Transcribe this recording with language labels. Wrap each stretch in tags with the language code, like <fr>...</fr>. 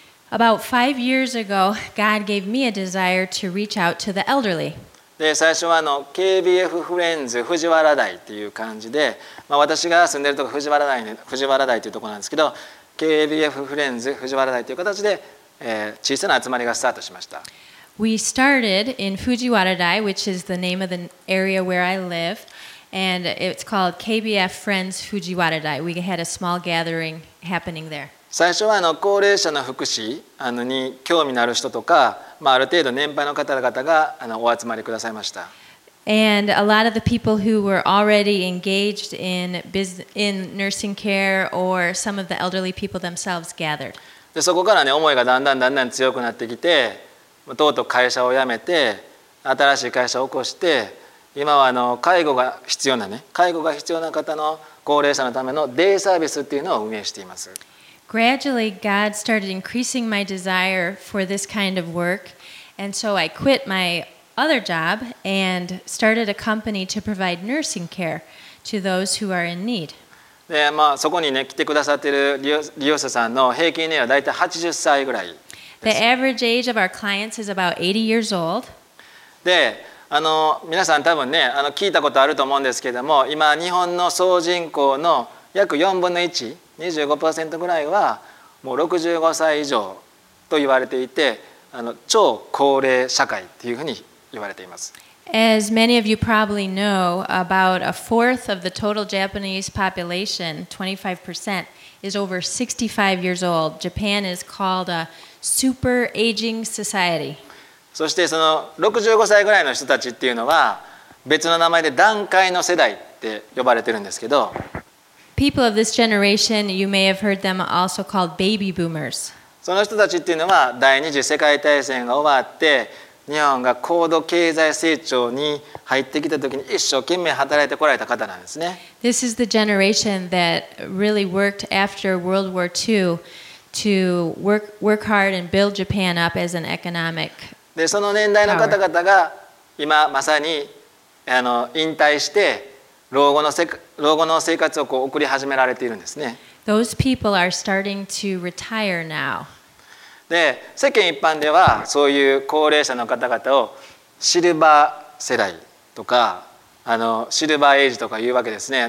<en>About 5 years ago, God gave me a desire to reach out to the elderly.</en> <ja>で、最初はあの KBF フレンズ藤原台っていう感じで、まあ、私が住んでるとこ藤原台というところなんですけど、KBF フレンズ藤原台という形で、小さな集まりがスタートしました。</ja> <en>We started in Fujiwara-dai, which is the name of the area where I live, and it's called KBF Friends Fujiwara-dai. We had a small gathering happening there.</en> <ja>最初はあの高齢者の福祉に興味のある人とか、まあ、ある程度年配の方々があのお集まりくださいました。</ja> <en>And a lot of the people who were already engaged in nursing care or some of the elderly people themselves gathered.</en> <ja>で、そこからね、思いがだんだんだんだん強くなってきて、とうとう会社を辞めて、新しい会社を起こして、今はあの介護が必要なね、介護が必要な方の高齢者のためのデイサービスっていうのを運営しています。</ja> <en>Gradually, God started increasing my desire for this kind of work, and so I quit my other job and started a company to provide nursing care to those who are in need.</en> <ja>で、まあ、そこにね、来てくださっている利用者さんの平均年齢はだいたい80歳ぐらい。</ja> <en>The average age of our clients is about 80 years old.</en> <ja>で、あの皆さん多分ね、あの聞いたことあると思うんですけども、今日本の総人口の約4分の1、25% ぐらいはもう65歳以上と言われていて、あの超高齢社会というふうに言われています。</ja> <en>As many of you probably know, about a fourth of the total Japanese population, 25%, is over 65 years old. Japan is called a super aging society.</en> <ja>そしてその65歳ぐらいの人たちっていうのは別の名前で団塊の世代って呼ばれてるんですけど。</ja> <en>People of this generation, you may have heard them also called baby boomers.</en> <ja>その人たちっていうのは第二次世界大戦が終わって日本が高度経済成長に入ってきた時に一生懸命働いてこられた方なんですね。</ja> <en>This is the generation that really worked after World War II to work hard and build Japan up as an economic power.</en> <ja>で、その年代の方々が今まさにあの引退して老後の生活をこう送り始められているんですね。</ja> <en>Those people are starting to retire now.</en> <ja>で、世間一般ではそういう高齢者の方々をシルバー世代とかあのシルバーエイジとかいうわけですね。</ja>